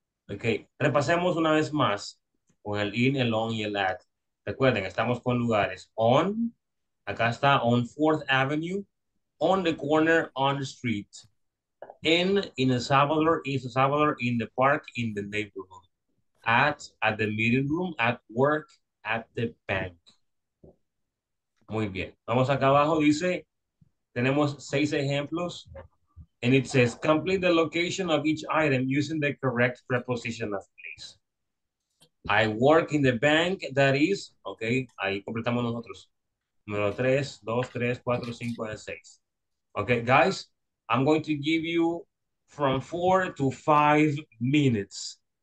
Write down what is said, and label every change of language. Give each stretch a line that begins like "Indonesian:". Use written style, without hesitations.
Spanish: Okay, repasemos una vez más con el in, el on y el at. Recuerden, estamos con lugares.
English: On,
Spanish: acá está,
English: on 4th Avenue, on the corner, on the street. In El Salvador, in El Salvador, in the park, in the neighborhood. At the meeting room, at work, at the bank.
Spanish: Muy bien. Vamos acá abajo, dice... Tenemos 6 ejemplos
English: And it says, complete the location of each item using the correct preposition of place. I work in the bank, that is, okay,
Spanish: ahí completamos nosotros.
English: Número 3, 2, 3, 4, 5, and 6. Okay, guys, I'm going to give you from 4 to 5 minutes.